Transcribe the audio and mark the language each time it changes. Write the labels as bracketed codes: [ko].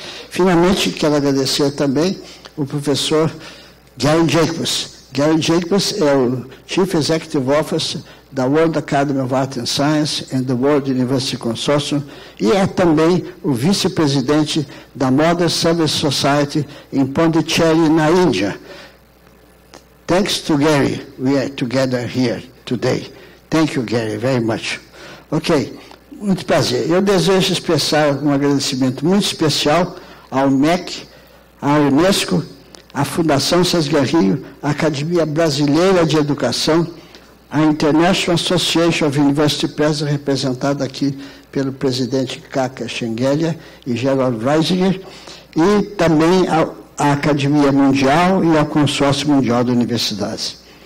[pt] Finalmente, quero agradecer também o professor Gary Jacobs. Gary Jacobs é o Chief Executive Officer da World Academy of Art and Science and the World University Consortium e é também o vice-presidente da Modern Service Society em Pondicherry, na Índia. [en] Thanks to Gary, we are together here today. Thank you, Gary, very much. [pt] Ok, muito prazer. Eu desejo expressar um agradecimento muito especial ao MEC, à Unesco, à Fundação Cesar Rio, à Academia Brasileira de Educação, a International Association of University Press, representada aqui pelo presidente Kaka Schengelia e Gerald Reisinger, e também à Academia Mundial e ao Consórcio Mundial de Universidades.